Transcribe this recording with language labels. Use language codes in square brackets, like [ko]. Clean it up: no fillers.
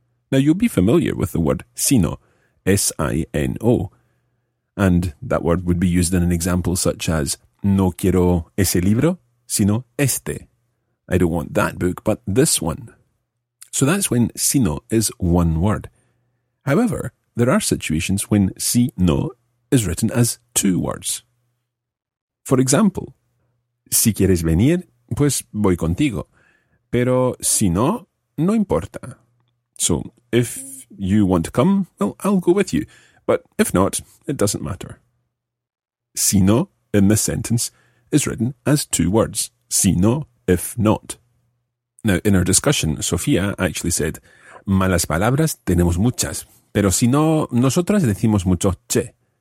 [en] Now, you'll be familiar with the word sino, S-I-N-O, and that word would be used in an example such as [es] no quiero ese libro, sino este. [en] I don't want that book, but this one. So that's when sino is one word. However, there are situations when si no is written as two words. For example, [es] si quieres venir, pues voy contigo. Pero si no, no importa. [en] So, if you want to come, well, I'll go with you. But if not, it doesn't matter. Si no, in this sentence, is written as two words. [es] Si no, if not. [en] Now, in our discussion, Sofía actually said, [es] malas palabras tenemos muchas, pero si no, nosotras decimos mucho che.